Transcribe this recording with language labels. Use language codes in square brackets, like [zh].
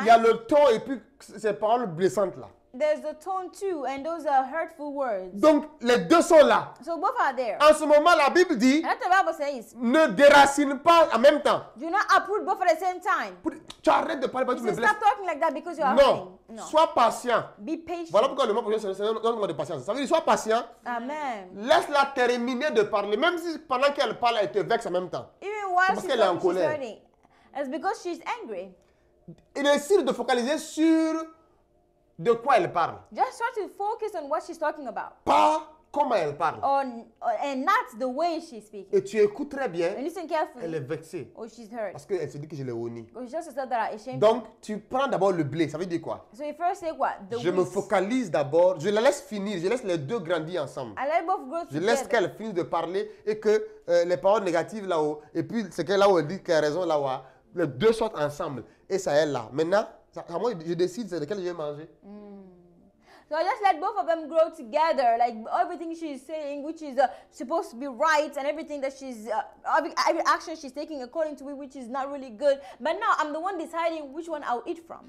[fr] il y a le ton et puis ces paroles blessantes là. [en] There's the tone too, and those are hurtful words. [fr] Donc les deux sont là. [en] So both are there. [fr] En ce moment, la Bible dit, [en] and the Bible says, [fr] ne déracine pas en même temps. [en] Do not uproot both at the same time. [fr] Tu arrêtes de parler parce que tu me blesses. [en] Stop talking like that because you are [fr] non. [en] hurting. [fr] No. Sois patient. [en] Be patient. [fr] Voilà pourquoi le mot prochain, c'est un mot de patience. Ça veut dire, sois patient. Amen. Laisse-la terminer de parler, même si pendant qu'elle parle, elle te vexe en même temps. [en] Even while she's talking, she's hurting. It's because she's angry. [fr] Il est sûr de focaliser sur de quoi elle parle. [en] Just try to focus on what she's talking about. [fr] Pas comment elle parle. [en] And not the way she's speaking. [fr] Et tu écoutes très bien. [en] And listen carefully. [fr] Elle est vexée. [en] Or she's hurt. [fr] Parce qu'elle se dit que je l'ai honnie. [en] Because she just said that I ashamed. [fr] Donc tu prends d'abord le blé. Ça veut dire quoi? [en] So you first say what? The [fr] je [en] wheat. [fr] Me focalise d'abord. Je la laisse finir. Je laisse les deux grandir ensemble. [en] I let both grow together. [fr] Je laisse qu'elle finisse de parler et que les paroles négatives là-haut et puis ce qu'elle là-haut dit qu'elle a raison là-haut, les deux sortent ensemble et ça elle là. Maintenant. Moi, je décide c'est lequel je vais manger. [en] So I just let both of them grow together, like everything she's saying, which is supposed to be right, and everything that she's every action she's taking according to me, which is not really good. But now I'm the one deciding which one I'll eat from.